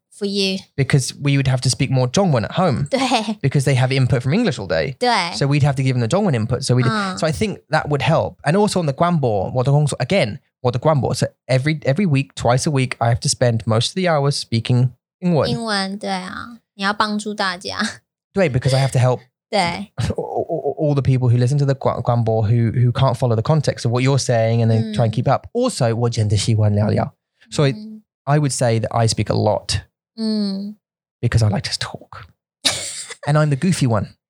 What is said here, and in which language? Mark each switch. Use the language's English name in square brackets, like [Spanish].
[English] For you. Because we would have to speak more 中文 at home. [Chinese] 对。 [English] Because they have input from English all day. [Chinese] 对。 [English] So we'd have to give them the 中文 input. So so I think that would help. And also on the 官播, [Chinese] 我的工作, [English] again, [Chinese] 我的官播, [English] so every week, twice a week, I have to spend most of the hours speaking 英文. [Chinese] 英文, 对啊, 你要帮助大家。对, [English] because I have to help [Chinese] 对。 [English] all the people who listen to the 官播 who can't follow the context of what you're saying and then try and keep up. Also, [Chinese] 我真的喜欢聊聊。 [English] So I would say that I speak a lot. Because I like to talk. And I'm the goofy one.